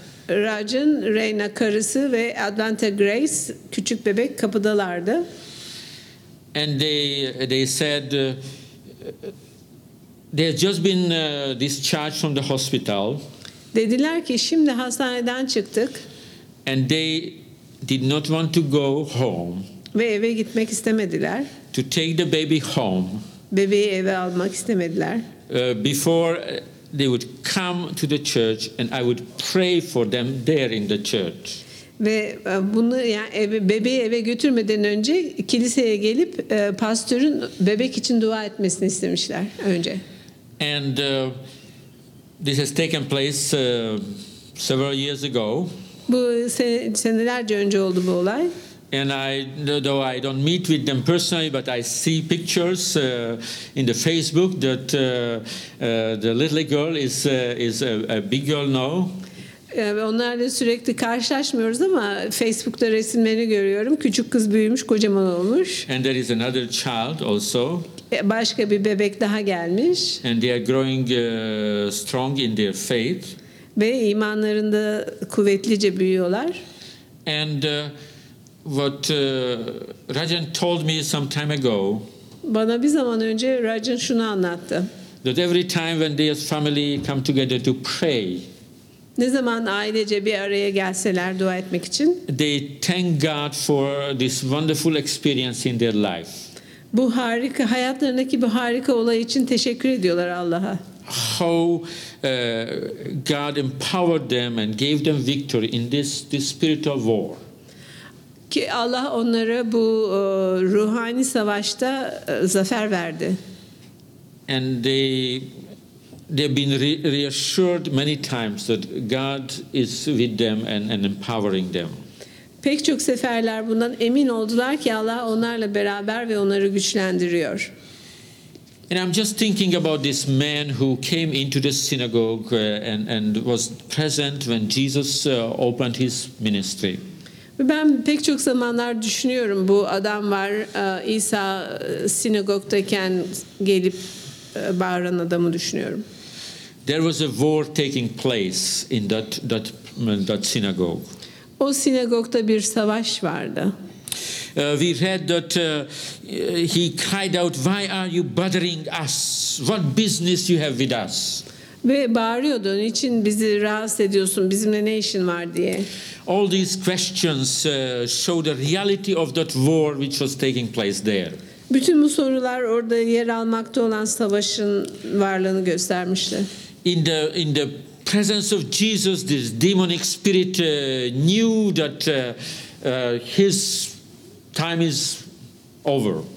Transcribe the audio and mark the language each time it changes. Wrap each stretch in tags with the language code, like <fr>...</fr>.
<tr>Rajan, Reina karısı ve Adventa Grace küçük bebek kapıdalardı.</tr> <en>And they said they had just been discharged from the hospital.</en> <tr>Dediler ki şimdi hastaneden çıktık.</tr> <en>And they did not want to go home.</en> <tr>Ve eve gitmek istemediler.</tr> <en>To take the baby home.</en> <tr>Bebeği eve almak istemediler.</tr> <en>Before they would come to the church and I would pray for them there in the church.</en> <tr>Ve bunu yani bebeği eve götürmeden önce kiliseye gelip pastörün bebek için dua etmesini istemişler önce.</tr> <en>And this has taken place several years ago.</en> <tr>Bu senelerce önce oldu bu olay.</tr> <en>And I, though I don't meet with them personally, but I see pictures in the Facebook that the little girl is a big girl now.</en> <tr>Onlarla sürekli karşılaşmıyoruz ama Facebook'ta resimlerini görüyorum. Küçük kız büyümüş, kocaman olmuş.</tr> <en>And there is another child also.</en> <tr>Başka bir bebek daha gelmiş.</tr> <en>And they are growing strong in their faith.</en> <tr>Ve imanlarında kuvvetlice büyüyorlar.</tr> <en>And what Rajan told me some time ago.</en> <tr>Bana bir zaman önce Rajan şunu anlattı.</tr> <en>That every time when their family come together to pray.</en> <tr>Ne zaman ailece bir araya gelseler dua etmek için.</tr> <en>They thank God for this wonderful experience in their life.</en> <tr>Bu harika hayatlarındaki bu harika olay için teşekkür ediyorlar Allah'a.</tr> <en>How God empowered them and gave them victory in this spiritual war.</en> <tr>Ki Allah onlara bu ruhani savaşta zafer verdi.</tr> <en>And they've been reassured many times that God is with them and empowering them.</en> <tr>Pek çok seferler bundan emin oldular ki Allah onlarla beraber ve onları güçlendiriyor.</tr> <en>And I'm just thinking about this man who came into the synagogue and was present when Jesus opened his ministry.</en> <tr>Ben pek çok zamanlar düşünüyorum bu adam var İsa sinagogdayken gelip bağıran adamı düşünüyorum.</tr> <en>There was a war taking place in that synagogue.</en> <tr>O sinagogda bir savaş vardı.</tr> <en>We read that he cried out, "Why are you bothering us? What business you have with us?"</en> <tr>Ve bağırıyordu, "Niçin bizi rahatsız ediyorsun? Bizimle ne işin var?" diye.</tr> <en>All these questions show the reality of that war which was taking place there.</en> <tr>Bütün bu sorular orada yer almakta olan savaşın varlığını göstermişti.</tr> <en>In the presence of Jesus, this demonic spirit knew that his time is over.</en>